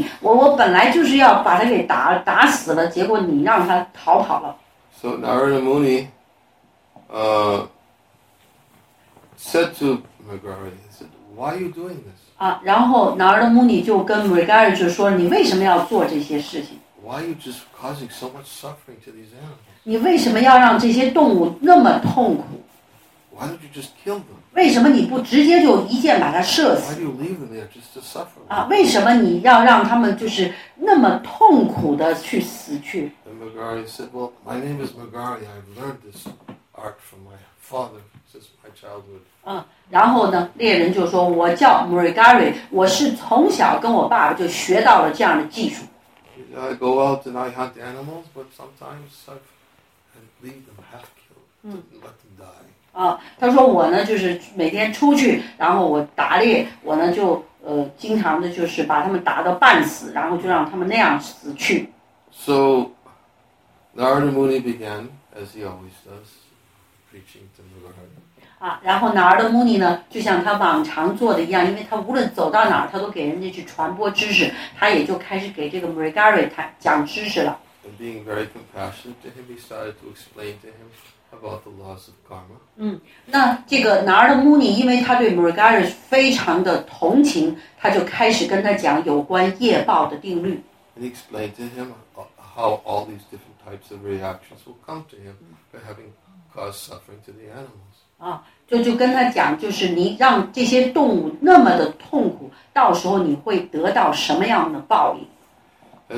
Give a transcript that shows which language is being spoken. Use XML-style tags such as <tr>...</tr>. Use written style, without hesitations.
<zh>我本来就是要把他给打死了，结果你让他逃跑了。</zh> <en>So Narada Muni, said to Mrugari, said, "Why are you doing this?"</en> <zh>然后 Narada Muni 就跟 Mrugari 就说，你为什么要做这些事情</zh> <en>Why are you just causing so much suffering to these animals?</en> <zh>你为什么要让这些动物那么痛苦？</zh> <en>Why don't you just kill them?</en> <zh>为什么你不直接就一箭把它射死？</zh> <en>Why do you leave them there just to suffer?</en> <zh>啊，为什么你要让他们就是那么痛苦的去死去？</zh> <en>And Magari said, "Well, my name is Magari. I've learned this art from my father since my childhood."</en> <zh>嗯，然后呢，猎人就说，我叫 Murigari， 我是从小跟我爸爸就学到了这样的技术。</zh> <en>I go out and I hunt animals, but sometimes I leave them half killed, let them die.</en> <zh>啊，他说我呢，就是每天出去，然后我打猎，我呢就经常的就是把他们打到半死，然后就让他们那样死去。</zh> <en>So Narada Muni began, as he always does, preaching to Murigari.</en> <zh>啊，然后哪儿的 Muni 呢，就像他往常做的一样，因为他无论走到哪儿，他都给人家去传播知识，他也就开始给这个 Murigari 他讲知识了。</zh> <en>And being very compassionate to him, he started to explain to him about the laws of karma.</en> <zh>嗯，那这个哪儿的 Muni， 因为他对 Murigari 非常的同情，他就开始跟他讲有关业报的定律。</zh> <en>And he explained to him how all these different types of reactions will come to him for having caused suffering to the animals.</en> <zh>啊，就跟他讲，就是你让这些动物那么的痛苦，到时候你会得到什么样的报应？</zh>